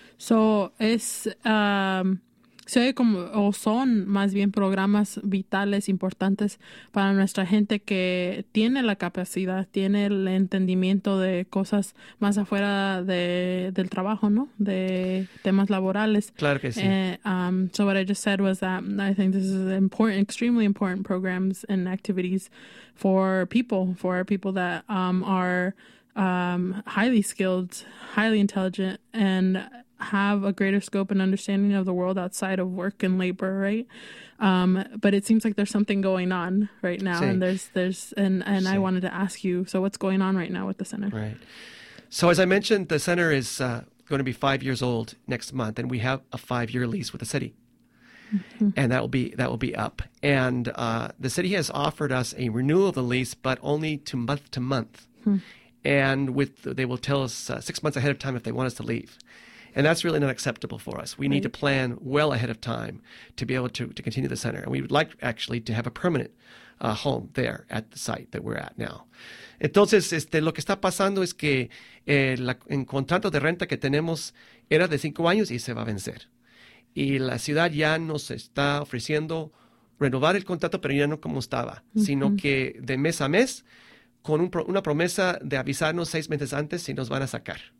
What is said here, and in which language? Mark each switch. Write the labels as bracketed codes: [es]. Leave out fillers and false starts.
[es] So son más bien programas vitales importantes para nuestra gente que tiene la capacidad, tiene el entendimiento de cosas más afuera del trabajo, ¿no? De temas laborales. Claro que sí. [en] So what I just said was that I think this is important, extremely important programs and activities for people that are highly skilled, highly intelligent, and have a greater scope and understanding of the world outside of work and labor, right? But it seems like there's something going on right now, sí. and I wanted to ask you, so what's going on right now with the center? Right. So as I mentioned, the center is going to be 5 years old next month, and we have a 5-year lease with the city. And that will be up. And the city has offered us a renewal of the lease, but only to month to month. And they will tell us 6 months ahead of time if they want us to leave. And that's really not acceptable for us. We need to plan well ahead of time to be able to continue the center. And we would like, actually, to have a permanent home there at the site that we're at now. [es] Entonces, lo que está pasando es que el contrato de renta que tenemos era de 5 años y se va a vencer. Y la ciudad ya nos está ofreciendo renovar el contrato, pero ya no como estaba, sino que de mes a mes, con una promesa de avisarnos 6 meses antes si nos van a sacar.